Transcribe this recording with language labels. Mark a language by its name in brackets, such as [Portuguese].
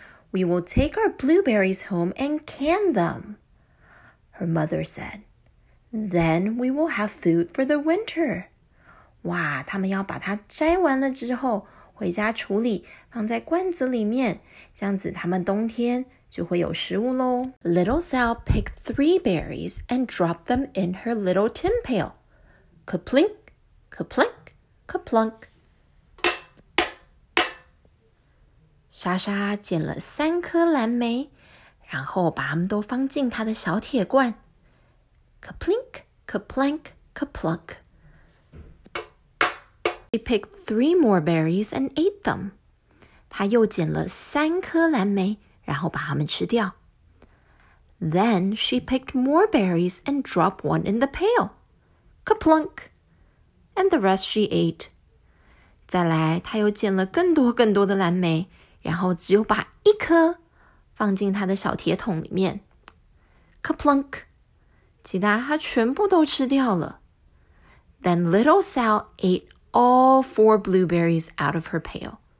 [English] We will take our blueberries home and can them, her mother said. Then we will have food for the winter. [Chinese] 哇，他们要把它摘完了之后，回家处理，放在罐子里面，这样子他们冬天就会有食物咯。 [English] Little Sal picked three berries and dropped them in her little tin pail. Ka-plink, ka-plink, ka-plunk. [Chinese] 莎莎捡了三颗蓝莓，然后把它们都放进她的小铁罐。 [English] Ka-plink, ka-plank, ka-plunk. She picked three more berries and ate them. [Chinese] 她又捡了三颗蓝莓，然后把它们吃掉。 [English] Then she picked more berries and dropped one in the pail. Ka-plunk. And the rest she ate. [Chinese] 再来，她又捡了更多更多的蓝莓。然后只有把一颗放进他的小铁桶里面 ，kaplunk， 其他他全部都吃掉了。 [English] Then little Sal ate all four blueberries out of her pail.